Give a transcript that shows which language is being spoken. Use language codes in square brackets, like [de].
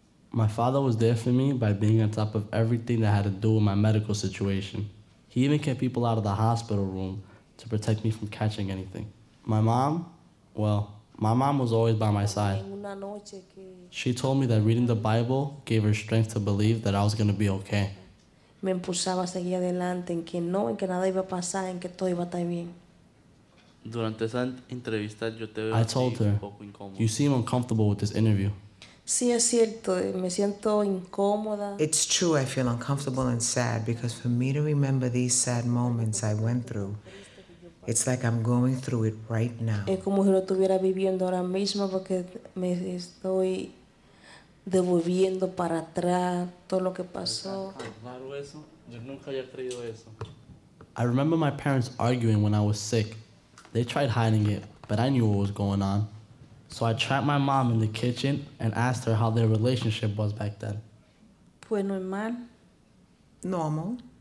[en] My father was there for me by being on top of everything that had to do with my medical situation. He even kept people out of the hospital room to protect me from catching anything. My mom, Well, my mom was always by my side. She told me that reading the Bible gave her strength to believe that I was going to be okay. [es] Me impulsaba a seguir adelante, en que no, en que nada iba a pasar, en que todo iba a estar bien. Durante esa entrevista, yo te veo [en] I told her, you seem uncomfortable with this interview. [es] Sí, es cierto. Me siento incómoda. [en] It's true, I feel uncomfortable and sad because for me to remember these sad moments I went through, it's like I'm going through it right now. [es] Es como si lo estuviera viviendo ahora mismo porque me estoy devolviendo para atrás todo lo que pasó. [en] I remember my parents arguing when I was sick. They tried hiding it, but I knew what was going on. So I trapped my mom in the kitchen and asked her how their relationship was back then. [es] Pues normal. [en] Normal.